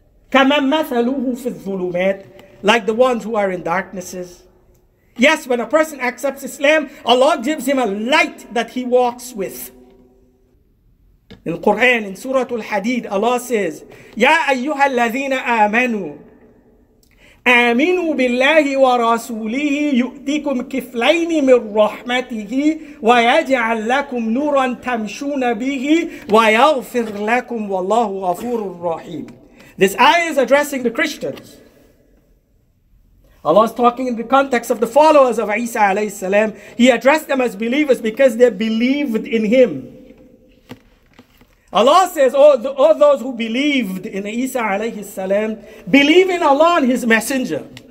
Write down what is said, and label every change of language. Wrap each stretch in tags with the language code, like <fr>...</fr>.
<ar>كَمَنْ مَثَلُهُ فِي الظُّلُمَاتِ.</ar> <en>Like the ones who are in darknesses. Yes, when a person accepts Islam, Allah gives him a light that he walks with. In the Quran, in Surah Al-Hadid, Allah says,</en> <ar>يَا أَيُّهَا الَّذِينَ آمَنُوا آمنوا بالله ورسوله يؤتكم كفلين من رحمته ويجعل لكم نورا تمشون به ويغفر لكم والله غفور رحيم.</ar> <en>This ayah is addressing the Christians. Allah is talking in the context of the followers of Isa alayhi salam. He addressed them as believers because they believed in him. Allah says, all those who believed in Isa alayhi salam, believe in Allah and his messenger.</en>